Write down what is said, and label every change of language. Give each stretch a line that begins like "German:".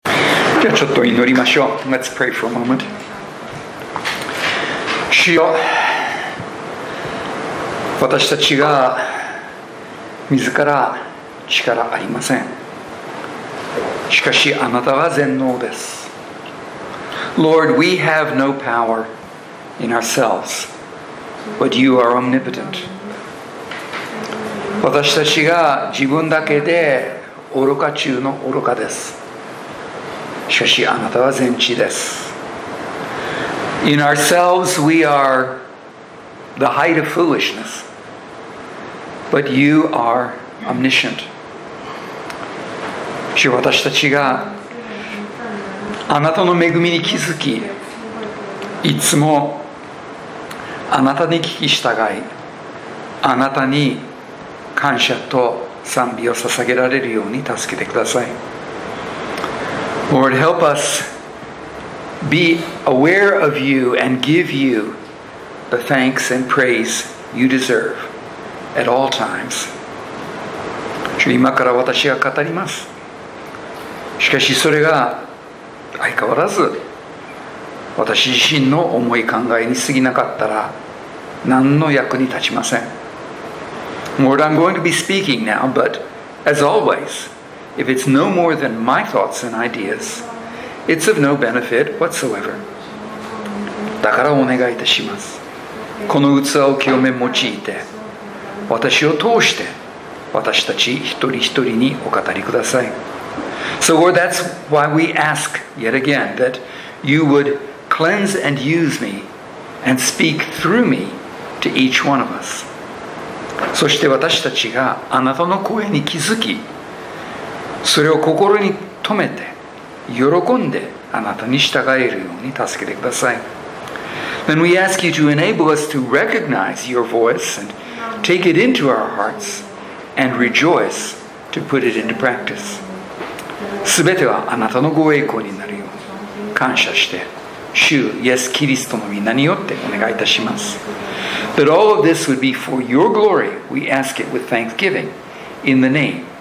Japanese: じゃあちょっと祈りましょう。
English: Let's pray for a moment。
Japanese: 主よ、私たちが自ら力ありません。しかしあなたは全能です。
English: Lord, we have no power in ourselves, but you are omnipotent。
Japanese: 私たちが自分だけで愚か中の愚かです。しかしあなたは全知です。
English: In ourselves we are the height of foolishness, but you are omniscient.
Japanese: 主、私たちがあなたの恵みに気づき、いつもあなたに聞き従い、あなたに感謝と賛美を捧げられるように助けてください。
English: Lord, help us be aware of you and give you the thanks and praise you deserve at all times.
Japanese: 主、今から私が語ります。しかしそれが相変わらず私自身の思い考えに過ぎなかったら何の役に立ちません。
English: Lord, I'm going to be speaking now, but as always,If it's no more than my thoughts and ideas, it's of no benefit whatsoever.
Japanese: だからお願いいたします。この器を清め用いて、私を通して私たち一人一人にお語りください。
English: So Lord, that's why we ask yet again that you would cleanse and use me and speak through me to each one of us.
Japanese: そして私たちがあなたの声に気づき、それを心に留めて喜んであなたに従えるように助けてください。
English: Then we ask you to enable us to recognize your voice and take it into our hearts and rejoice to put it into practice.
Japanese: すべてはあなたのご栄光になるように感謝して、主イエス・キリストの御名によってお願いいたします。
English: That all of this would be for your glory, we ask it with thanksgiving in the name.